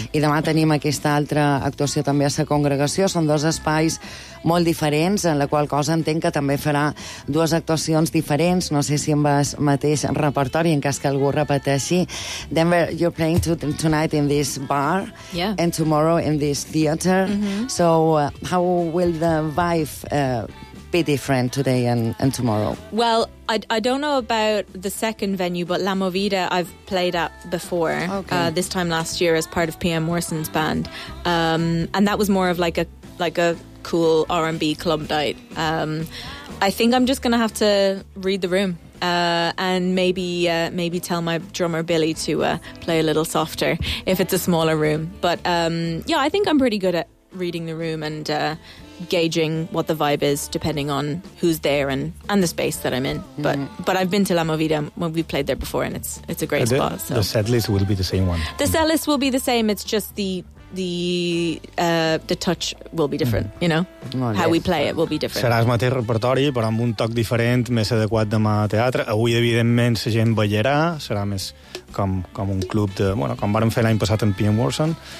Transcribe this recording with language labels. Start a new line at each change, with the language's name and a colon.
Catalan: I demà tenim aquesta altra actuació també a la congregació. Són dos espais molt diferents, en la qual cosa entenc que també farà dues actuacions diferents. No sé si amb el mateix repertori, en cas que algú repeteixi.
English: Denver, you're playing tonight in this bar, yeah, and tomorrow in this theater. Mm-hmm. So how will the vibe be different today and tomorrow? Well, I don't know about the second venue, but La Movida I've played at before. Okay. This time last year as part of PM Morrison's band, and that was more of like a cool R&B club night. I think I'm just gonna have to read the room and maybe tell my drummer Billy to play a little softer if it's a smaller room. But yeah, I think I'm pretty good at reading the room and gauging what the vibe is depending on who's there and the space that I'm in. But I've been to La Movida when we played there before, and it's a great spot. So the set list will be the same one. The set list will be the same. It's just the touch will be different. You know, how we play it will be different.
Catalan: Serà el mateix repertori, però amb un toc diferent, més adequat demà a teatre. Avui, evidentment, la gent ballarà. Serà més com un club de... Bueno, com vàrem fer l'any passat amb PM Morrison.